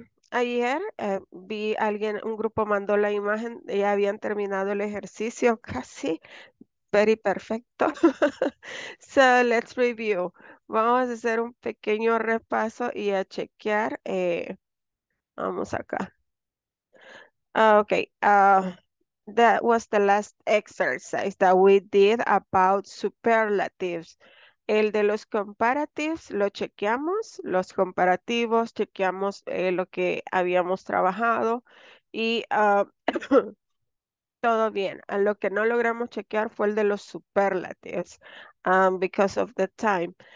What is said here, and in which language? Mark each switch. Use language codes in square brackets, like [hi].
[es] Ayer vi a alguien, un grupo mandó la imagen, ya habían terminado el ejercicio casi, very perfecto. [en] So, let's review. [es] Vamos a hacer un pequeño repaso y a chequear. Vamos acá. [en] That was the last exercise that we did about superlatives. [es] El de los comparatives lo chequeamos, los comparativos chequeamos lo que habíamos trabajado y todo bien. Lo que no logramos chequear fue el de los superlatives, [en] because of the time.